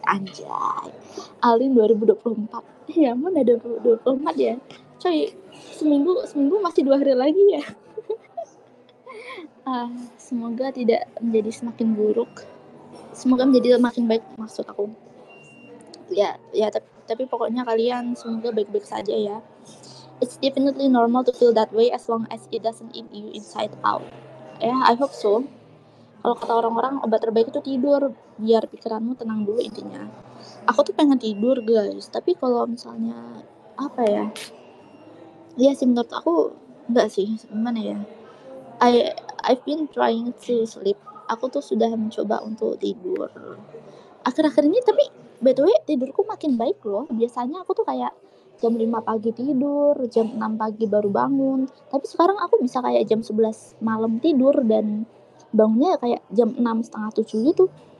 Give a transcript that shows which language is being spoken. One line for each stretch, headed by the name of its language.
Indonesian: Anjay, Alin 2024, ya mana ada 2024 ya, coy, seminggu masih 2 hari lagi ya. Semoga tidak menjadi semakin buruk, semoga menjadi semakin baik maksud aku. Ya, tapi pokoknya kalian semoga baik-baik saja ya.
English: It's definitely normal to feel that way as long as it doesn't eat you inside out. Yeah, I hope so.
Indonesian: Kalau kata orang-orang, obat terbaik itu tidur. Biar pikiranmu tenang dulu intinya. Aku tuh pengen tidur, guys. Tapi kalau misalnya, apa ya? Ya sih, menurut aku, enggak sih. Gimana ya?
English: I've been trying to sleep.
Indonesian: Aku tuh sudah mencoba untuk tidur. Akhir-akhir ini, tapi
English: by the way,
Indonesian: tidurku makin baik loh. Biasanya aku tuh kayak jam 5 pagi tidur, jam 6 pagi baru bangun. Tapi sekarang aku bisa kayak jam 11 malam tidur dan bangunnya kayak jam 6:30-7 gitu.